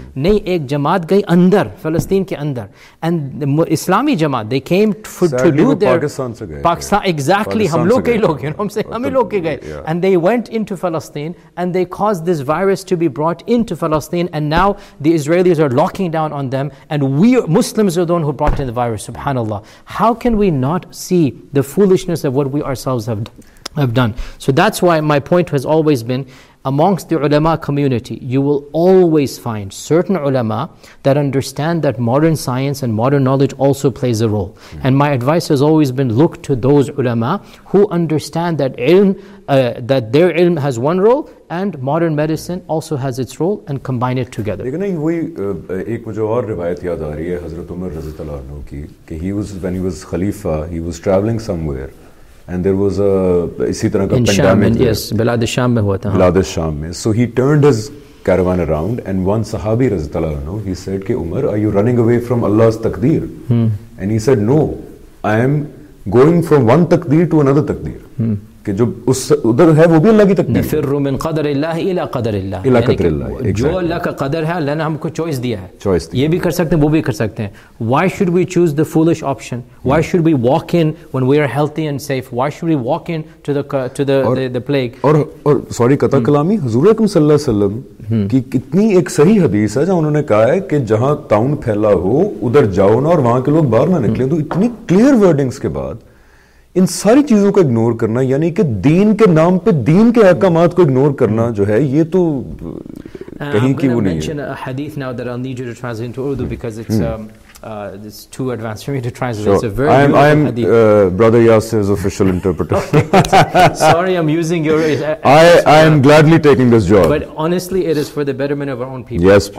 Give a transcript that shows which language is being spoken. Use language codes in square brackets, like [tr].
[ur] نہیں, ایک جماعت گئی اندر فلسطین کے اندر, اینڈ اسلامی جماعت [en] they came to do there, [ur] Pakistan سے گئے, [en] Pakistan exactly, [ur] ہم لوگ کے لوگ ہیں, ہم سے ہم ہی لوگ کے گئے, [en] And they went into فلسطین and they cause this virus to be brought into فلسطین, and now the Israelis are locking down on them, and we Muslims are the one who brought in the virus. Subhanallah, how can we not see the foolishness of what we ourselves have done? So that's why my point has always been, amongst the ulama community, you will always find certain ulama that understand that modern science and modern knowledge also plays a role. Mm-hmm. And my advice has always been, look to those ulama who understand that ilm, that their ilm has one role and modern medicine also has its role, and combine it together. [ur] لیکن یہ وہی ایک مجھے اور روایت یاد آ رہی ہے حضرت عمر رضی اللہ عنہ کی, کہ [en] he was, when he was Khalifa, he was traveling somewhere. And there was a [ur] اسی طرح کا پینڈیمک, yes, بلاد الشام میں ہوا تھا, بلاد الشام میں. [en] So he turned his caravan around and one sahabi رضی اللہ عنہ, he said, کہ Umar, are you running away from Allah's تقدیر? And he said, no, I am going from one تقدیر to another تقدیر. [ur] کہ جو اس ادھر ہے وہ بھی اللہ کی تقدیر. [ar] نفر من قدر اللہ الى قدر اللہ، الى قدر اللہ. [ur] جو اللہ کا قدر ہے اللہ نے ہم کو چوائس دیا ہے، چوائس دیا، یہ بھی کر سکتے ہیں وہ بھی کر سکتے ہیں. [en] Why should we choose the foolish option? Why should we walk in when we are healthy and safe? Why should we walk into the plague? [ur] اور سوری قطع کلامی، حضور اکرم صلی اللہ علیہ وسلم کی کتنی ایک صحیح حدیث ہے جہاں انہوں نے کہا ہے کہ جہاں تاؤن پھیلا ہو ادھر جاؤ نہ اور وہاں کے لوگ باہر نہ نکلیں. تو اتنی کلیئر ورڈنگز کے بعد ان ساری چیزوں کو اگنور کرنا، یعنی کہ دین کے نام پہ دین کے احکامات کو اگنور کرنا جو ہے، یہ تو کہیں کی وہ نہیں ہے. [en] A hadith now that I'll need you to translate into Urdu because it's too advanced for me to translate. Sure. It's a very good hadith. I'm Brother Yasir's official interpreter. Sorry, I'm using your... I am gladly taking this job. But honestly, it is for the betterment of our own people. Yes, please.